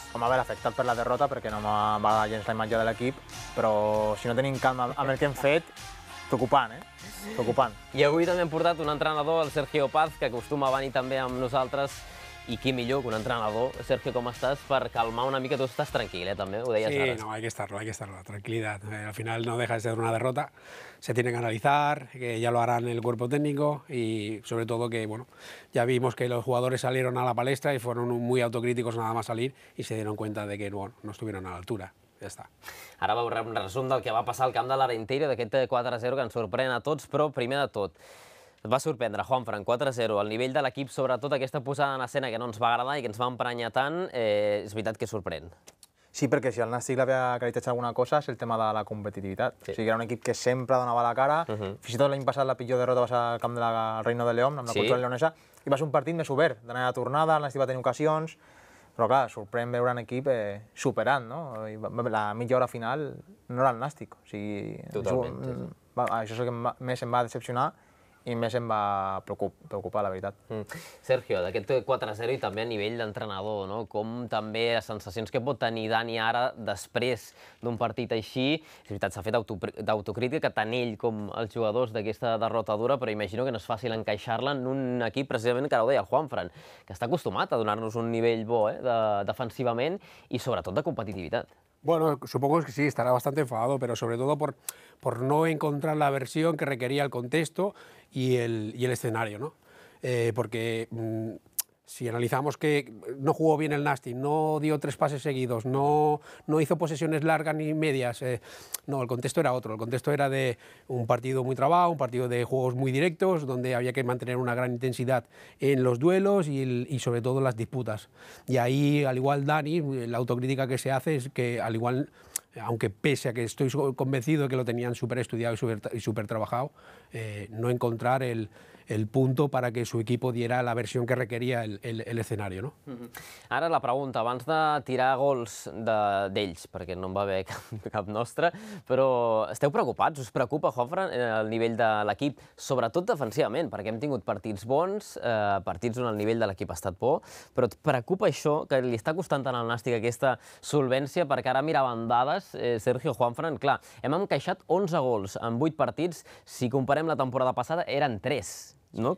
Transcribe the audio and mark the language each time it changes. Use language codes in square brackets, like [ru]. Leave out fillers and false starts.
[ca] Home, a veure, afectat per la derrota, perquè no m'ha agradat gens la imatge de l'equip, però si no tenim calma amb el que hem fet, preocupant, eh? Preocupant. I avui també hem portat un entrenador, el Sergio Paz, que acostuma a venir també amb nosaltres. I qui millor que un entrenador, Sergio, com estàs, per calmar una mica? Tu estàs tranquil, també, ho deies ara. [es] Sí, no, hay que estarlo, tranquilidad. Al final no deja de ser una derrota, se tiene que analizar, que ya lo harán el cuerpo técnico y sobre todo que, bueno, ya vimos que los jugadores salieron a la palestra y fueron muy autocríticos nada más salir y se dieron cuenta de que, bueno, no estuvieron a la altura. [ca] Ja està. Ara veurem un resum del que va passar al camp de l'Arenteiro, d'aquest 4-0 que ens sorprèn a tots, però primer de tot, et va sorprendre, Juanfran, 4-0. El nivell de l'equip, sobretot aquesta posada en escena que no ens va agradar i que ens va emprenyar tant, és veritat que sorprèn. Sí, perquè si el Nàstic l'havia caracteritzat alguna cosa és el tema de la competitivitat. Sí. O sigui, era un equip que sempre donava la cara. Fins i tot l'any passat la pitjor derrota va ser al camp de la Reina de León, amb la contra leonesa, i va ser un partit més obert, d'anar a tornada, el Nàstic va tenir ocasions, però clar, sorprèn veure un equip superant, no? I la mitja hora final no era el Nàstic. O sigui, això és el que més em va decepcionar i més em va preocupar, la veritat. Sergio, d'aquest 4-0 i també a nivell d'entrenador, no? Com també les sensacions que pot tenir Dani ara després d'un partit així? És veritat, s'ha fet autocrítica tant ell com els jugadors d'aquesta derrota dura, però imagino que no és fàcil encaixar-la en un equip, precisament, que ara ho deia el Juanfran, que està acostumat a donar-nos un nivell bo, defensivament i sobretot de competitivitat. [es] Bueno, supongo que sí, estará bastante enfadado, pero sobre todo por no encontrar la versión que requería el contexto y el escenario, ¿no? Porque si analizamos que no jugó bien el Nasti, no dio tres pases seguidos, no hizo posesiones largas ni medias, no, el contexto era otro. El contexto era de un partido muy trabado, un partido de juegos muy directos, donde había que mantener una gran intensidad en los duelos y sobre todo las disputas. Y ahí, al igual Dani, la autocrítica que se hace es que, al igual, aunque pese a que estoy convencido de que lo tenían súper estudiado y súper trabajado, no encontrar el punto para que su equipo diera la versión que requería el escenario, ¿no? [ca] Ara la pregunta, abans de tirar gols d'ells, perquè no en va haver cap nostre, però esteu preocupats? Us preocupa, Juanfran, el nivell de l'equip? Sobretot defensivament, perquè hem tingut partits bons, partits on el nivell de l'equip ha estat bo, però et preocupa això, que li està costant tant al Nàstic aquesta solvència, perquè ara miraven dades, Sergio, Juanfran, clar, hem encaixat 11 gols en 8 partits, si comparem la temporada passada, eren 3. No?